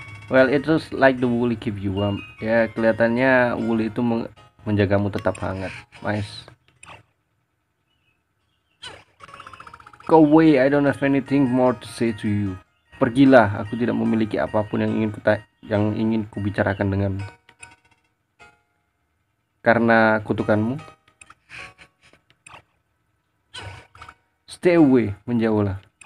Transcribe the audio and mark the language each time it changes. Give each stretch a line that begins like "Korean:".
English: Well, it's just like the wool keep you warm.
Indonesian: Ya, kelihatannya wool itu menjagamu tetap hangat.
English: Mice. Go away, I don't have anything more to say to you.
Indonesian: Pergilah, aku tidak memiliki apapun yang ingin ku bicarakan denganmu. Karena kutukanmu.
English: Stay away,
Indonesian: menjauhlah.